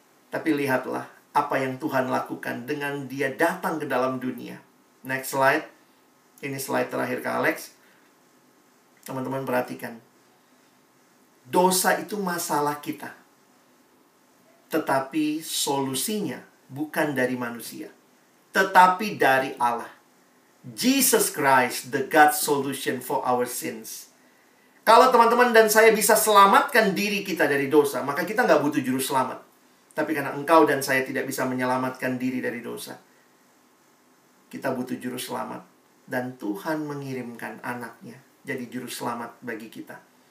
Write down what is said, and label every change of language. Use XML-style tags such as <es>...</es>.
<id>Tapi lihatlah apa yang Tuhan lakukan dengan Dia datang ke dalam dunia. Next slide. Ini slide terakhir Kak Alex. Teman-teman perhatikan. Dosa itu masalah kita. Tetapi solusinya bukan dari manusia, tetapi dari Allah.</id> <en>Jesus Christ, the God solution for our sins.</en> <id>Kalau teman-teman dan saya bisa selamatkan diri kita dari dosa, maka kita gak butuh juru selamat. Tapi karena engkau dan saya tidak bisa menyelamatkan diri dari dosa, kita butuh juru selamat. Dan Tuhan mengirimkan anaknya jadi juru selamat bagi kita.</id>